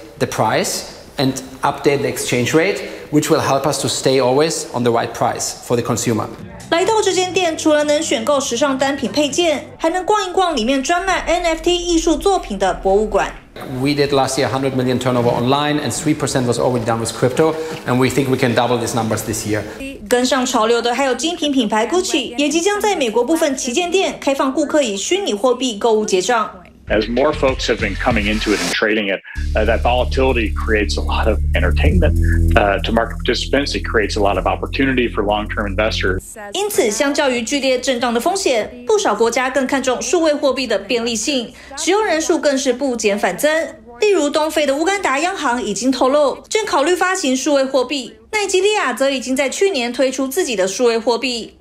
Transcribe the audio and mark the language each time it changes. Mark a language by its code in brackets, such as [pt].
[en] the price and update the exchange rate, which will help us to stay always on the right price for the consumer. [zh] 来到这间店，除了能选购时尚单品配件，还能逛一逛里面专卖 NFT 艺术作品的博物馆。 [en] We did last year 100 million turnover online, and 3% was already done with crypto, and we think we can double these numbers this year. [zh] 跟上潮流的还有精品品牌 Gucci， 也即将在美国部分旗舰店开放顾客以虚拟货币购物结账。 [en] As more folks have been coming into it and trading it, that volatility creates a lot of entertainment to market participants. It creates a lot of opportunity for long-term investors. [zh] 因此，相较于剧烈震荡的风险，不少国家更看重数位货币的便利性，使用人数更是不减反增。例如，东非的乌干达央行已经透露，正考虑发行数位货币。奈及利亚则已经在去年推出自己的数位货币。